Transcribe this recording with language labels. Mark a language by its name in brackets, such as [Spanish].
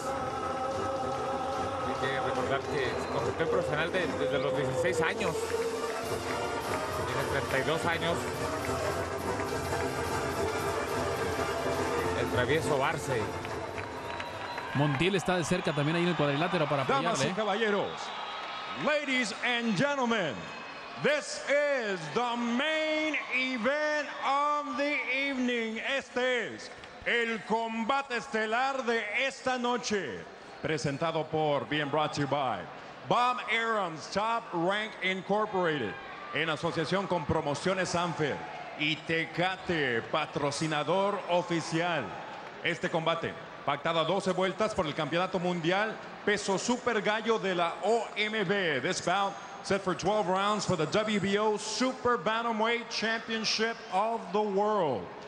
[Spanish] Hay que recordar que se convirtió en profesional desde los 16 años. Tiene 32 años. El travieso Barce. Montiel está de cerca también ahí en el cuadrilátero para apoyarle. Damas y caballeros, [English] ladies and gentlemen, this is the main event of the evening. [Spanish] Este es el combate estelar de esta noche. Presentado por, [English] being brought to you by, Bob Arum's Top Rank Incorporated. [Spanish] En asociación con Promociones Anfer y Tecate, patrocinador oficial. Este combate, pactado a 12 vueltas por el Campeonato Mundial Peso Super Gallo de la OMB. [English] This bout set for 12 rounds for the WBO Super Bantamweight Championship of the World.